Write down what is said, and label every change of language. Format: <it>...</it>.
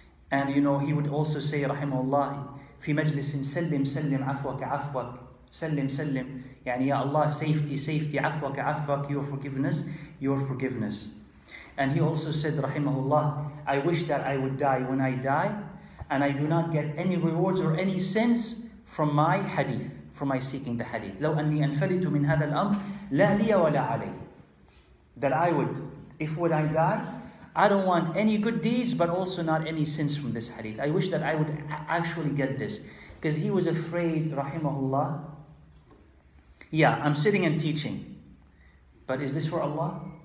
<en>And you know, he would also say, Rahimahullah, fi majlisin sallim sallim afwak afwak, sallim sallim, yani ya Allah, safety, safety, afwak afwak, your forgiveness, your forgiveness. And he also said, Rahimahullah, I wish that I would die when I die, and I do not get any rewards or any sins from my hadith, from my seeking the hadith.</en> <ar>لو أني أنفلت من هذا الأمر لا لي ولا علي.</ar> <en>That I would, if would I die, I don't want any good deeds, but also not any sins from this hadith. I wish that I would actually get this. Because he was afraid, rahimahullah. Yeah, I'm sitting and teaching, but is this for Allah?</en>